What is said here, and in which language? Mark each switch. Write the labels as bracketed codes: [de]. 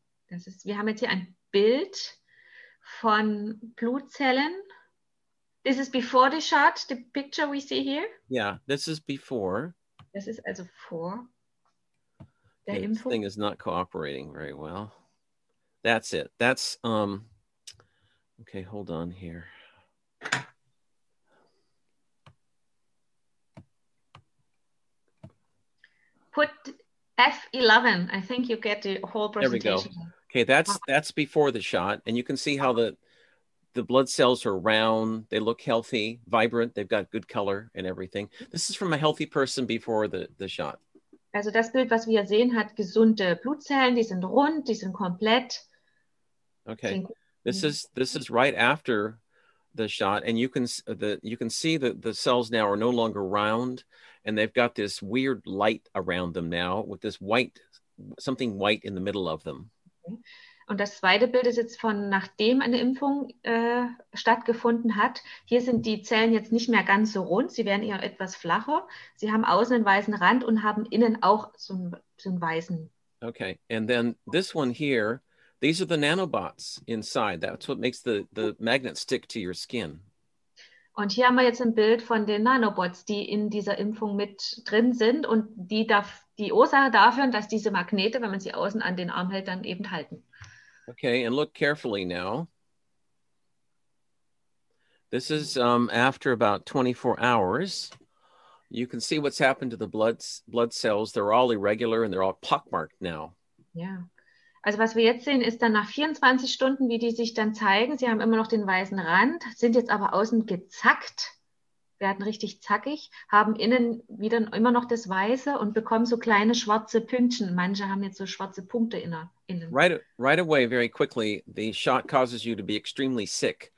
[de] Das ist, wir haben jetzt hier ein Bild von Blutzellen. [en] This is before the shot, the picture we see here? Yeah, this is before. This is also before. Okay, this thing is not cooperating very well. That's it. That's, okay, hold on here. Put F11. I think you get the whole presentation. There we go. Okay, that's before the shot. And you can see how the blood cells are round, they look healthy, vibrant, they've got good color and everything. This is from a healthy person before the shot. [de] Also das Bild, was wir sehen, hat gesunde Blutzellen, die sind rund, die sind komplett. Okay. [en] This is right after the shot, and you can see that the cells now are no longer round and they've got this weird light around them now with this white something white in the middle of them. Okay. [de] Und das zweite Bild ist jetzt von nachdem eine Impfung stattgefunden hat. Hier sind die Zellen jetzt nicht mehr ganz so rund. Sie werden eher etwas flacher. Sie haben außen einen weißen Rand und haben innen auch so einen weißen. [en] Okay, and then this one here, these are the nanobots inside. That's what makes the magnet stick to your skin. [de] Und hier haben wir jetzt ein Bild von den Nanobots, die in dieser Impfung mit drin sind und die Ursache dafür, dass diese Magnete, wenn man sie außen an den Arm hält, dann eben halten. [en] Okay, and look carefully now. This is after about 24 hours. You can see what's happened to the blood cells. They're all irregular and they're all pockmarked now. Yeah. [de] Also was wir jetzt sehen, ist dann nach 24 Stunden, wie die sich dann zeigen. Sie haben immer noch den weißen Rand, sind jetzt aber außen gezackt, werden richtig zackig, haben innen wieder immer noch das Weiße und bekommen so kleine schwarze Pünktchen. Manche haben jetzt so schwarze Punkte innen. [en] Right away, very quickly, the shot causes you to be extremely sick.